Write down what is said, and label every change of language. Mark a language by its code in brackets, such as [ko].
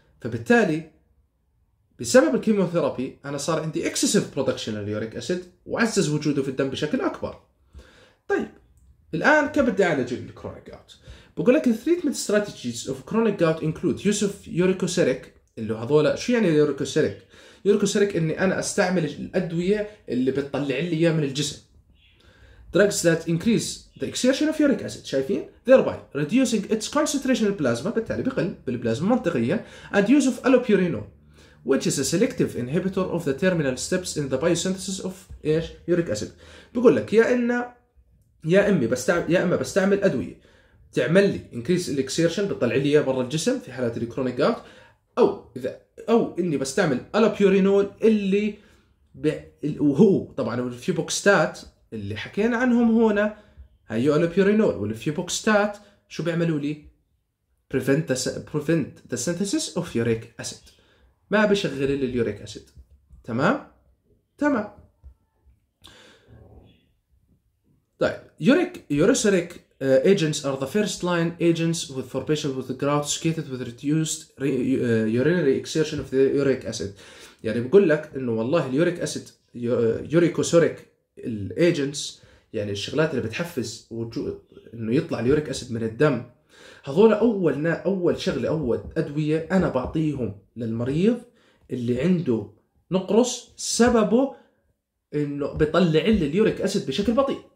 [ar] فبالتالي بسبب الكيموثيرابي انا صار عندي اكسسيف برودكشن اليوريك اسيد وعزز وجوده في الدم بشكل اكبر. طيب الان كيف بدي اعالج الكرونيك جاوت؟ بقول لك [en] التريتمنت strategies of chronic gout include use of uricosuric, [ar] اللي هذول شو يعني يوريكوسيريك؟ يوريكوسيريك اني انا استعمل الادويه اللي بتطلع لي اياه من الجسم. [en] Drugs that increase the exertion of uric acid, [ar] شايفين؟ [en] thereby reducing its concentration in plasma, [ar] بالتالي بقل بالبلازما منطقيا. [en] And use of allopurinol, which is a selective inhibitor of the terminal steps in the biosynthesis of uric acid. [ar] بقول لك يا إما بستعمل أدوية تعمل لي [en] increase the exertion [ar] بتطلع لي إياه برا الجسم في حالات الـ chronic gout، أو إني بستعمل allopurinol اللي وهو طبعا في بوكستات اللي حكينا عنهم هنا، هيو الوبيورينول والفيبوكستات شو بيعملوا لي؟ [en] prevent the synthesis of uric acid، [ar] ما بيشغل لي اليوريك اسيد، تمام. [en] طيب uricosuric agents are the first line agents with for patients with gout associated with reduced urinary exertion of the uric acid. [ar] يعني بقول لك انه والله اليوريك اسيد يوريكوسوريك الايجنتس، يعني الشغلات اللي بتحفز وجود انه يطلع اليوريك اسيد من الدم، هذول اول ادويه انا بعطيهم للمريض اللي عنده نقرس سببه انه بيطلع لي اليوريك اسيد بشكل بطيء.